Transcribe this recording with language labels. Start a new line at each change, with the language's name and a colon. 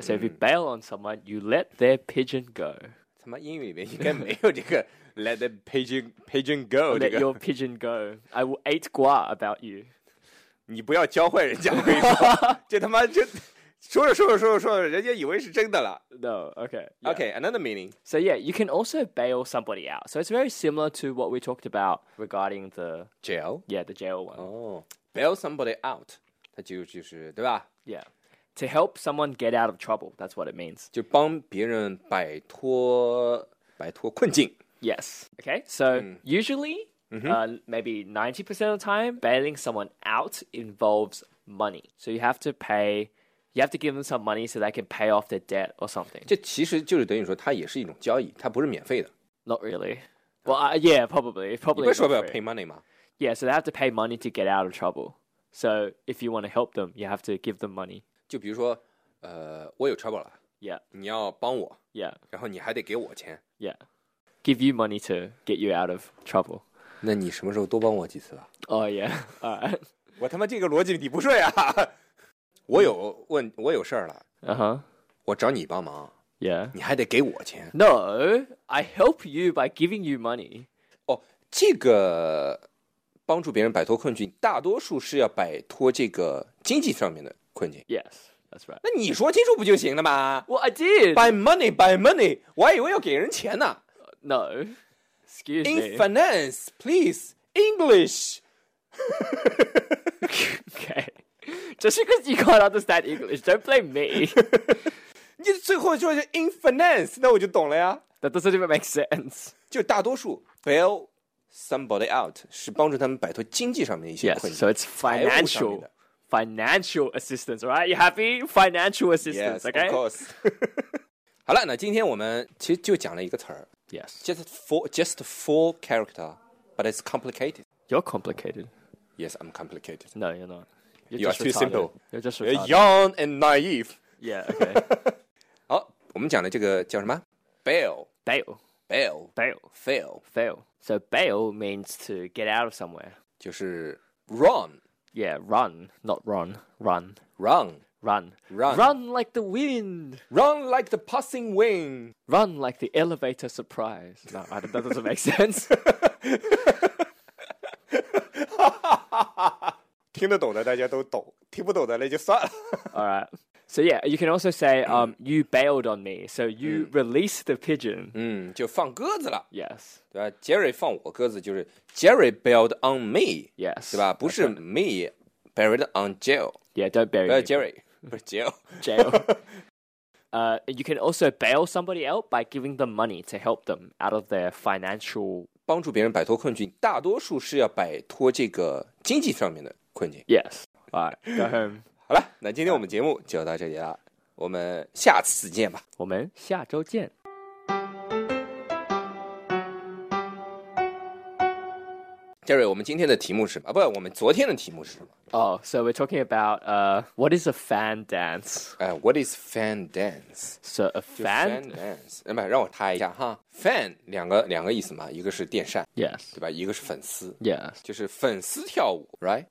English: So if you bail on someone, you let their pigeon go.
Chinese: 他妈英语里面应该没有这个
English: let the pigeon go. Let your pigeon go. I will eat gua about you.
Chinese: 你不要教坏人家，我跟你说，这他妈这说着说着说着说着，人家以为是真的了。
English: No, okay.、Yeah. Okay, another meaning. So yeah, you can also bail somebody out. So it's very similar to what we talked about regarding the... Jail? Yeah, the jail one. Oh, bail somebody out.
Chinese: 它就是对吧
English: ？Yeah. To help someone get out of trouble, that's what it means.
Chinese: 就帮别人摆脱困境。
English: Yes. Okay, so usually,、 mm-hmm. Maybe 90% of the time, bailing someone out involves money. So you have to pay... You have to give them some money so they can pay off their debt or something.
Chinese: 这其实就是等于说，它也是一种交易，它不是免费的。
English: Not really. Well, yeah, probably. Probably.
Chinese: 你不是说要
English: pay money
Chinese: 吗
English: ？Yeah, so they have to pay money to get out of trouble. So if you want to help them, you have to give them money.
Chinese: 就比如说，我有 trouble 了。
English: Yeah.
Chinese: 你要帮我。
English: Yeah.
Chinese: 然后你还得给我钱。
English: Yeah. Give you money to get you out of trouble.
Chinese: 那你什么时候多帮我几次吧
English: ？Oh yeah. All right.
Chinese: 我他妈这个逻辑你不顺呀！我有事儿了。我找你帮忙。
English: Yeah.
Chinese: 你还得给我钱。
English: No, I help you by giving you money.
Chinese: 哦，这个帮助别人摆脱困境，大多数是要摆脱这个经济上面的困境。
English: Yes, that's right.
Chinese: 那你说清楚不就行了吗
English: ？Well, I did. By money.
Chinese: 我还以为要给人钱呢。
English: No. Excuse me. In finance, please, English. Okay. Just because you can't understand English, don't blame me.
Chinese: 你最后说是
English: in finance,
Chinese: 那我就懂了呀。
English: That doesn't even make sense.
Chinese: 就大多数 bail somebody out 是帮助他们摆脱经济上面的一些困境。
English: Yes, so it's financial. Financial assistance, right? You happy? Financial assistance, yes, okay? Yes, of course.
Chinese: 好了，那今天我们其实就讲了一个词儿。
English: Yes. Just four character, but it's complicated. You're complicated. Yes, I'm complicated. No, you're not. You are too simple. You're just retarded. You're young and naive. Yeah, okay.
Chinese: 好，我们讲的这个叫什么 ？Bail.
English: Bail. Bail. Bail. Fail. Fail. So bail means to get out of somewhere. 就是 run. Yeah, run. Not run. Run. Run. Run. Run. Run like the wind. Run like the passing wing. Run like the elevator surprise. No, that doesn't make sense.
Chinese: 听得懂的大家都懂，听不懂的那就算了。
English: All right. So yeah, you can also say, you bailed on me. So you released the pigeon.
Chinese: 就放鸽子了。
English: Yes.
Chinese: 对吧 ？Jerry 放我鸽子就是 Jerry
English: bailed on me. Yes.
Chinese: 对吧？不是
English: me buried on jail. Yeah, don't bury
Chinese: Jerry. 不是 jail.
English: Jail. you can also bail somebody out by giving them money to help them out of their financial.
Chinese: 帮助别人摆脱困境，大多数是要摆脱这个经济上面的。困境
English: Yes. Alright, go home.
Chinese: 好了，那今天我们节目就到这里了，我们下次见吧。我们下周见。 Jerry, 我们今天的题目是什么？不，我们昨天的题目是什么？
English: Oh, so we're talking about what is a fan dance? What is fan dance? So a fan
Chinese: dance. 不，让我猜一下哈。 Fan 两个意思嘛，一个是电扇
English: ，Yes，
Chinese: 对吧？一个是粉丝
English: ，Yes，
Chinese: 就是粉丝跳舞 ，
English: Right?